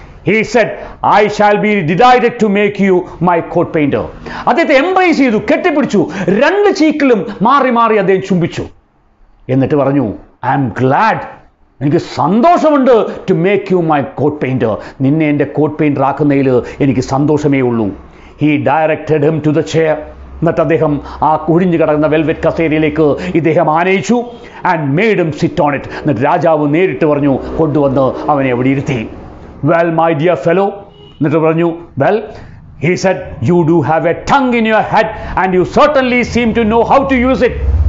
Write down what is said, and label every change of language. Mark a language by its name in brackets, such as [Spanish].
[English] He said, I shall be ഡിഡൈറ്റഡ് to make you my coat painter. [Malayalam] അദ്ദേഹത്തെ embrace ചെയ്തു, കെട്ടിപ്പിടിച്ചു, രണ്ട് ചീക്കിലും മാറി മാറി അദ്ദേഹം ചുംബിച്ചു. എന്നിട്ട് പറഞ്ഞു, [English] I'm glad, [Malayalam] എനിക്ക് സന്തോഷമുണ്ട്, [English] to make you my court painter, [Malayalam] നിന്നെ എൻ്റെ കോട്ട് പെയിൻ്റർ ആക്കുന്നതിൽ എനിക്ക് സന്തോഷമേ ഉള്ളൂ. [English] He directed him to the chair. [Malayalam] എന്നിട്ട് അദ്ദേഹം ആ കുഴിഞ്ഞു കിടക്കുന്ന വെൽവെറ്റ് കസേരയിലേക്ക് ഇദ്ദേഹം ആനയിച്ചു. [English] And made him sit on it. [Malayalam] എന്നിട്ട് രാജാവ് നേരിട്ട് പറഞ്ഞു, കൊണ്ടുവന്ന് അവനെ അവിടെ ഇരുത്തി. [English] well my dear fellow, [Malayalam] എന്നിട്ട് പറഞ്ഞു, [English] Well, he said, you do have a tongue in your head and you certainly seem to know how to use it.